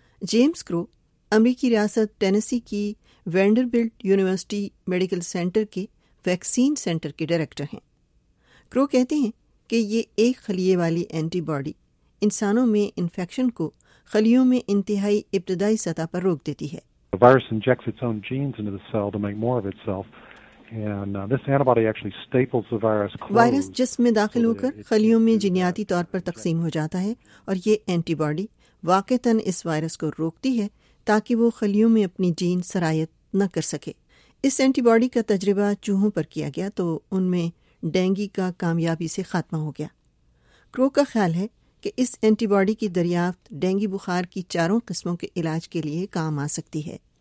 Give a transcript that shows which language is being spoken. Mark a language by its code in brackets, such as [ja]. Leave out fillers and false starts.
[ur] James کرو امریکی ریاست ٹینیسی کی وینڈربلٹ یونیورسٹی میڈیکل سینٹر کے ویکسین سینٹر کے ڈائریکٹر ہیں۔ کرو کہتے ہیں کہ یہ ایک خلیے والی اینٹی باڈی انسانوں میں انفیکشن کو خلیوں میں انتہائی ابتدائی سطح پر روک دیتی ہے۔ [en] The virus injects its own genes into the cell to make more of itself. [ur] Virus جسم میں داخل ہو کر خلیوں میں جینیاتی طور پر تقسیم ہو جاتا ہے، اور یہ اینٹی باڈی واقعتاً اس وائرس کو روکتی ہے تاکہ وہ خلیوں میں اپنی جین سرایت نہ کر سکے۔ اس اینٹی باڈی کا تجربہ چوہوں پر کیا گیا تو ان میں ڈینگی کا کامیابی سے خاتمہ ہو گیا۔ کرو کا خیال ہے کہ اس اینٹی باڈی کی دریافت ڈینگی بخار کی چاروں قسموں کے علاج کے لیے کام آ سکتی ہے۔